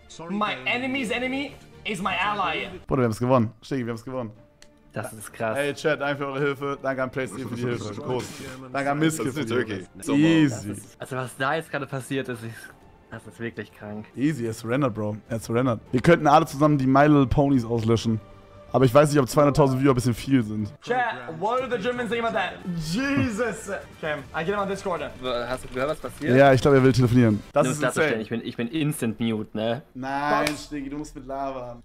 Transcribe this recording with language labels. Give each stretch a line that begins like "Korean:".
English: My enemy's enemy is my ally.
German: Bruder, wir haben es gewonnen. Das ist krass. Hey Chat, danke für eure Hilfe. Danke an PlayStation für die Hilfe. Groß. Danke an Miskit für die Hilfe. Easy. Also was da jetzt gerade passiert ist, das ist wirklich krank. Easy, er surrendert, Bro. Wir könnten alle zusammen die My Little Ponies auslöschen. Aber ich weiß nicht, ob 200.000 Viewer ein bisschen viel sind.
English: Chat, what are the Germans saying about that? Jesus! Okay, I get him on Discord.
German: Hast du gehört, was passiert? Ja, ich glaube, er will telefonieren. Das ist insane. Ich bin instant mute, ne? Nein, Stiggy, du musst mit labern.